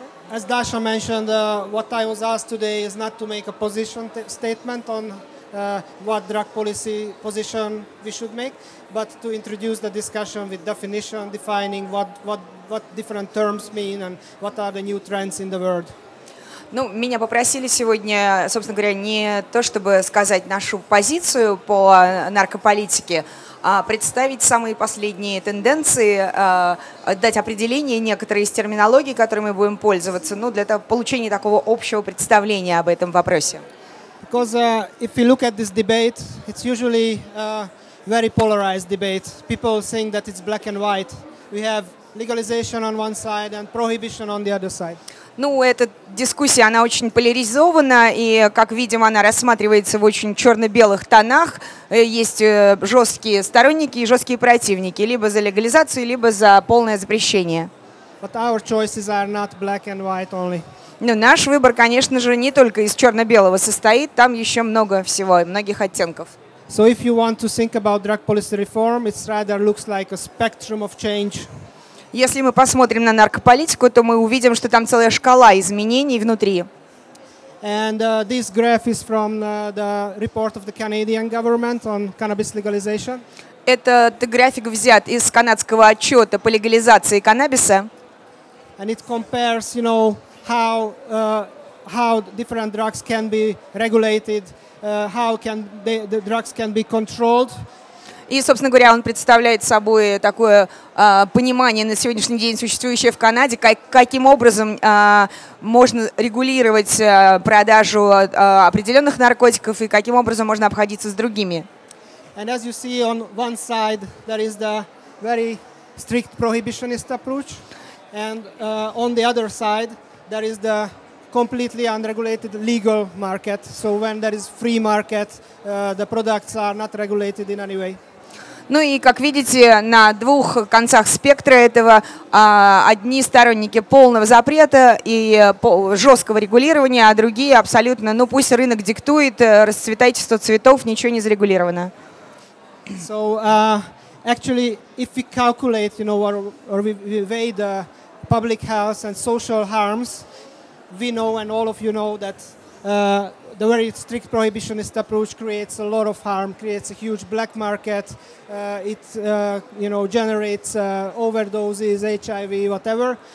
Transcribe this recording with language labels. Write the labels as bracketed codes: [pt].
[en] As Dasha mentioned, what I was asked today is not to make a position statement on what drug policy position we should make, but to introduce the discussion with definition, defining what different terms mean and what are the new trends in the world. [ru] Ну, меня попросили сегодня, собственно говоря, не то чтобы сказать нашу позицию по наркополитике, а представить самые последние тенденции, дать определение некоторые из терминологий, которыми мы будем пользоваться, ну, для того, получения такого общего представления об этом вопросе. [en] Because if you look at this debate, it's usually a very polarized debate. People think that it's black and white. We have legalization on one side and prohibition on the other side. [ru] Ну, эта дискуссия, она очень поляризована, и, как видим, она рассматривается в очень черно-белых тонах. Есть жесткие сторонники и жесткие противники, либо за легализацию, либо за полное запрещение. [en] But our choices are not black and white only. [ru] Но наш выбор, конечно же, не только из черно-белого состоит, там еще много всего, многих оттенков. [en] So if you want to think about drug policy reform, it rather looks like a spectrum of change. [ru] Если мы посмотрим на наркополитику, то мы увидим, что там целая шкала изменений внутри. [en] And this graph is from the report of the Canadian government on cannabis legalization. [ru] Этот график взят из канадского отчета по легализации каннабиса. [en] And it compares, you know, how different drugs can be regulated, how can the drugs can be controlled. [ru] И, собственно говоря, он представляет собой такое понимание на сегодняшний день, существующее в Канаде, каким образом можно регулировать продажу определенных наркотиков и каким образом можно обходиться с другими. [en] And as you see, on one side there is the very strict prohibitionist approach, and on the other side there is the completely unregulated legal market. So when there is free market, the products are not regulated in any way. [ru] Ну и, как видите, на двух концах спектра этого одни сторонники полного запрета и жесткого регулирования, а другие абсолютно, ну пусть рынок диктует, расцветайте 100 цветов, ничего не зарегулировано. [en] So, actually, if we calculate, you know, or we weigh the public health and social harms, we know and all of you know that the very strict prohibitionist approach creates a lot of harm, creates a huge black market, generates overdoses, HIV, whatever.